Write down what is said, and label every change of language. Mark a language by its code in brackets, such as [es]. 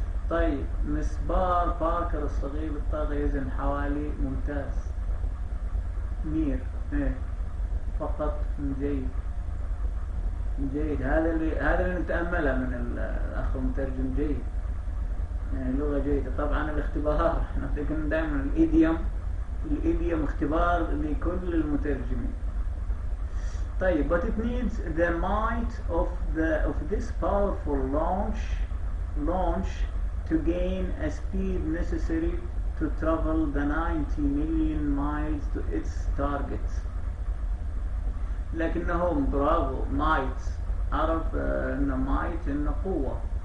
[ar] طيب مسبار باركر الصغير بالطاقة يزن حوالي، ممتاز، مير ايه فقط، جيد جيد. هذا اللي نتأمله من الأخ المترجم، جيد يعني لغة جيدة. طبعا الاختبار احنا كنا دائما الإيديوم اختبار لكل المترجمين. طيب [en] but it needs the might of the of this powerful launch to gain a speed necessary to travel the 90 million miles to its target. [ar] لكنهم برافو might، عرف ان might ان قوة.